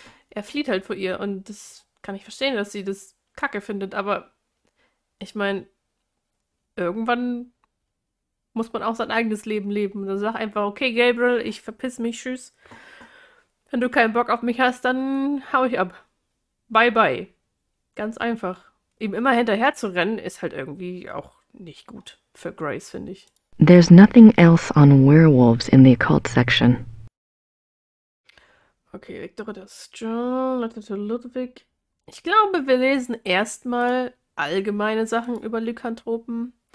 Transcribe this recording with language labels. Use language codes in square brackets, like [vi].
[de] Er flieht halt vor ihr und das kann ich verstehen, dass sie das kacke findet, aber ich meine, irgendwann muss man auch sein eigenes Leben leben. Dann sag einfach, okay Gabriel, ich verpiss mich, tschüss. Wenn du keinen Bock auf mich hast, dann hau ich ab. Bye bye. Ganz einfach. Ihm immer hinterher zu rennen, ist halt irgendwie auch nicht gut für Grace, finde ich. [en] There's nothing else on werewolves in the occult section. Okay, Victoria Strong, Ludwig. [de] Ich glaube, wir lesen erstmal allgemeine Sachen über Lykanthropen.